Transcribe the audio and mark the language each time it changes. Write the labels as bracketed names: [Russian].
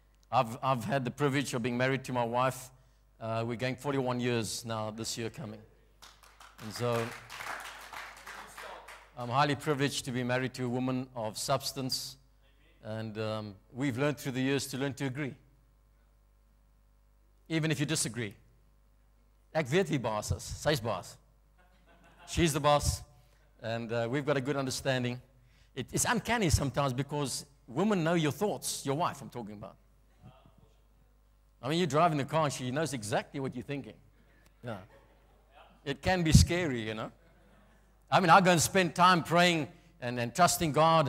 [English] I've had the privilege of being married to my wife. We're going 41 years now this year coming. And so, I'm highly privileged to be married to a woman of substance. And we've learned through the years to learn to agree. Even if you disagree. [Afrikaans] Ek weet die baas, sy's baas. [English] She's the boss. And we've got a good understanding. It's uncanny sometimes because women know your thoughts, your wife I'm talking about. I mean, you're driving the car and she knows exactly what you're thinking. Yeah. It can be scary, you know. I mean, I go and spend time praying and trusting God.